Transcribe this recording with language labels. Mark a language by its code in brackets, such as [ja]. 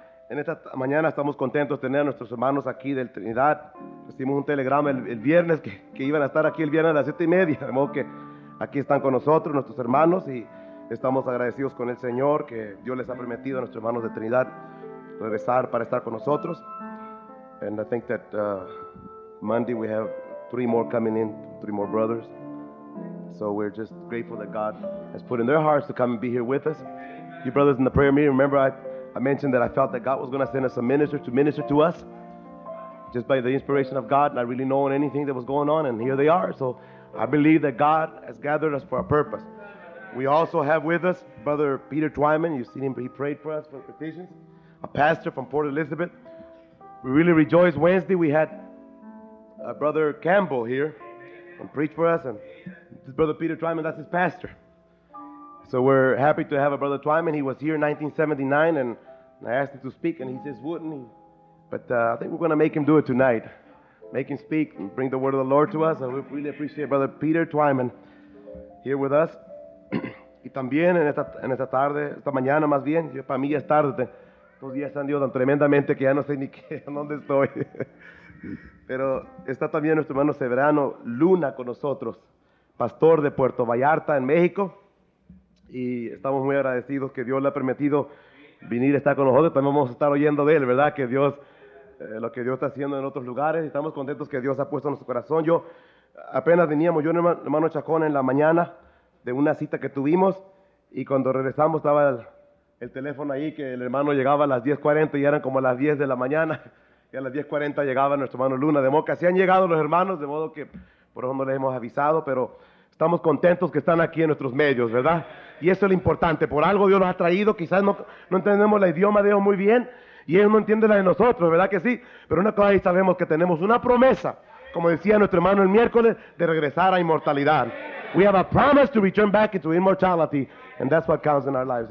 [es] En esta mañana estamos contentos de tener a nuestros hermanos aquí del Trinidad. Recibimos un telegrama el viernes que iban a estar aquí el viernes a las 7:30. De modo que aquí están con nosotros nuestros hermanos y estamos agradecidos con el Señor que Dios les ha permitido a nuestros hermanos de Trinidad regresar para estar con nosotros. [en] And I think that Monday we have 3 more coming in, 3 more brothers. So we're just grateful that God has put in their hearts to come and be here with us. You brothers in the prayer meeting, remember I mentioned that I felt that God was going to send us a minister to minister to us. just by the inspiration of God, not really knowing anything that was going on, and here they are. So I believe that God has gathered us for a purpose. We also have with us Brother Peter Twyman. You've seen him. He prayed for us for petitions. A pastor from Port Elizabeth. We really rejoice. Wednesday we had Brother Campbell here and preach for us. And this is Brother Peter Twyman. That's his pastor. So we're happy to have a Brother Twyman. He was here in 1979, and I asked him to speak, and he just wouldn't. But I think we're going to make him do it tonight. Make him speak and bring the word of the Lord to us. And we really appreciate Brother Peter Twyman here with us. [es] Y también en esta tarde, esta mañana más bien, yo para mí ya es tarde. Estos días han ido tan tremendamente que ya no sé ni qué, dónde estoy. Pero está también nuestro hermano Severano Luna con nosotros, pastor de Puerto Vallarta en México. Y estamos muy agradecidos que Dios le ha permitido venir a estar con nosotros. También vamos a estar oyendo de él, ¿verdad? Que Dios, lo que Dios está haciendo en otros lugares. Estamos contentos que Dios ha puesto en nuestro corazón. Yo, apenas veníamos, yo y el hermano Chacón en la mañana de una cita que tuvimos. Y cuando regresamos estaba el teléfono ahí, que el hermano llegaba a las 10:40 y eran como las 10 de la mañana. Y a las 10:40 llegaba nuestro hermano Luna. De modo que así han llegado los hermanos, de modo que por eso no les hemos avisado, pero estamos contentos que están aquí en nuestros medios, ¿verdad? Y eso es lo importante. Por algo Dios los ha traído. Quizás no entendemos el idioma de ellos muy bien y ellos no entienden la de nosotros, ¿verdad que sí? Pero una cosa ahí sabemos, que tenemos una promesa, como decía nuestro hermano el miércoles, de regresar a inmortalidad. [en] We have a promise to return back into immortality, and that's what counts in our lives.